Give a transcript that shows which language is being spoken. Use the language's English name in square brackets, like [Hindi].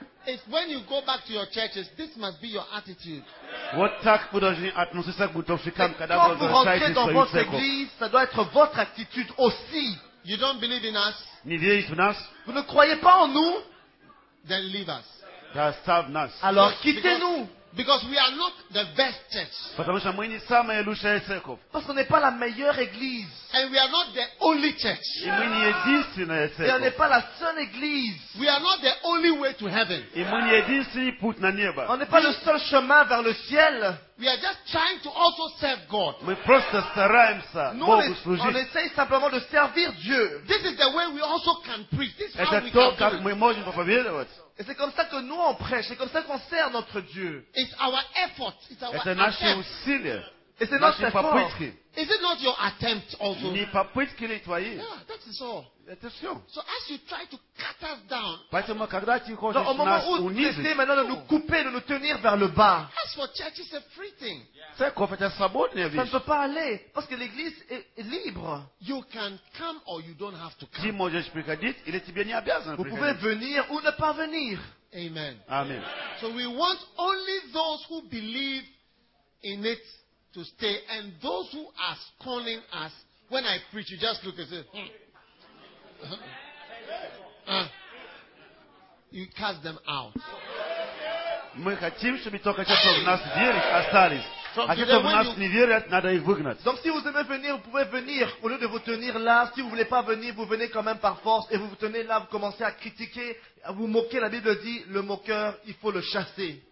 [English] It's when you go back to your churches, this must be your attitude. [French] Quand vous rentrez dans votre église, ça doit être votre attitude aussi. [English] You don't believe in us. [Russian] Не верите в нас. [French] Vous ne croyez pas en nous. [English] Then leave us. [Russian] Оставь нас. [French] Alors quittez-nous. [English] Because we are not the best church. [Russian] Потому что мы не самая лучшая церковь. [French] Parce qu'on n'est pas la meilleure église. [English] And we are not the only church. [Russian] И мы не единственная церковь. [French] Et on n'est pas la seule église. [English] We are not the only way to heaven. [Russian] И мы не единственный путь на небо. [French] On n'est pas le seul chemin vers le ciel. [English] We are just trying to also serve God. [Russian] Мы просто стараемся Богу служить. [French] On essaye simplement de servir Dieu. [English] This is the way we also can preach. This is how we can. [Russian] Это то, как мы можем проповедовать. [French] Et c'est comme ça que nous on prêche, c'est comme ça qu'on sert notre Dieu. [English] It's our effort. It's our effort. [French] Et c'est notre effort. [English] Is it not your attempt also? [Russian] Ni попытки ли твои? [English] Yeah, that is all. [Russian] Это все. [English] So as you try to cut us down. [Russian] Поэтому когда ты хочешь нас унизить. [French] Au moment où tu essaies maintenant de nous couper, de nous tenir vers le bas. [English] As for church, it's a free thing. [Russian] Церковь это свободная вещь. [French] Ça ne peut pas aller parce que l'église est libre. [English] You can come or you don't have to come. [Russian] Ты можешь приходить или тебе не обязан приходить. [French] Vous pouvez venir ou ne pas venir. Amen. Amen. [English] So we want only those who believe in it to stay, and those who are scorning us, when I preach, you just look and say, you cast them out. [Russian] Мы хотим, чтобы только те, кто в нас верит, остались. А те, кто в нас не верят, надо их выгнать. [French] Donc, si vous aimez venir, vous pouvez venir. Au lieu de vous tenir là, si vous voulez pas venir, vous venez quand même par force, et vous vous tenez là, vous commencez à critiquer, à vous moquer. La Bible dit, le moqueur, il faut le chasser.